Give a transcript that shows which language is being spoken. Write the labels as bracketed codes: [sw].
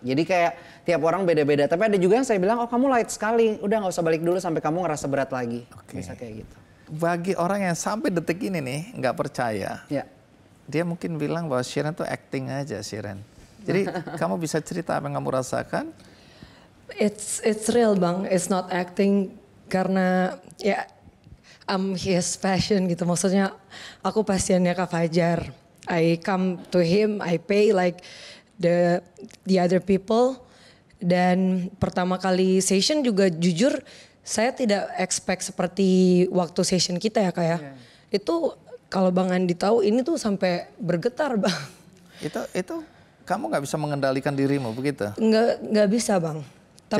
[id] Jadi kayak tiap orang beda-beda. Tapi ada juga yang saya bilang, oh kamu light sekali, udah gak usah balik dulu sampai kamu ngerasa berat lagi. Oke. Bisa kayak gitu. Bagi orang yang sampai detik ini nih, gak percaya. Ya. Dia mungkin bilang bahwa Shiren tuh acting aja, Shiren. Jadi kamu bisa cerita apa yang kamu rasakan? [en] It's real Bang, it's not acting. [id] Karena ya, [en] I'm his passion [id] gitu. Maksudnya aku pasiennya Kak Fajar. [en] I come to him, I pay like the other people. [id] Dan pertama kali session juga jujur, saya tidak expect seperti waktu session kita ya kayak. Yeah. Itu kalau Bang Andi tahu, ini tuh sampai bergetar Bang. Itu kamu gak bisa mengendalikan dirimu begitu? Gak bisa Bang. Tapi,